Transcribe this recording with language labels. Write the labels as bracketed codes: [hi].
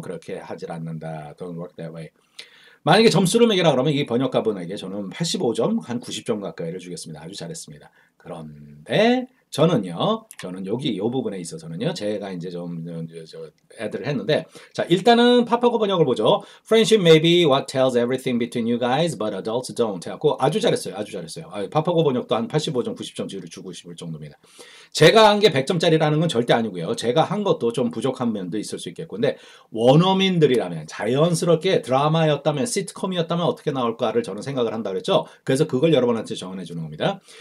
[ko] 그렇게 하질 않는다. [en] Don't work that way. [ko] 만약에 점수를 매기라 그러면 이 번역가 분에게 저는 85점, 한 90점 가까이를 주겠습니다. 아주 잘했습니다. 그런데 저는 여기 이 부분에 있어서는요, 제가 이제 좀 애들을 했는데, 자, 일단은 파파고 번역을 보죠. [en] Friendship may be what tells everything between you guys, but adults don't. [ko] 해갖고 아주 잘했어요. 아주 잘했어요. 파파고 번역도 한 85점, 90점 주를 주고 싶을 정도입니다. 제가 한게 100점짜리라는 건 절대 아니고요. 제가 한 것도 좀 부족한 면도 있을 수 있겠고, 근데 원어민들이라면 자연스럽게 드라마였다면, 시트콤이었다면 어떻게 나올까를 저는 생각을 한다고 그랬죠. 그래서 그걸 여러분한테 정언해 주는 겁니다.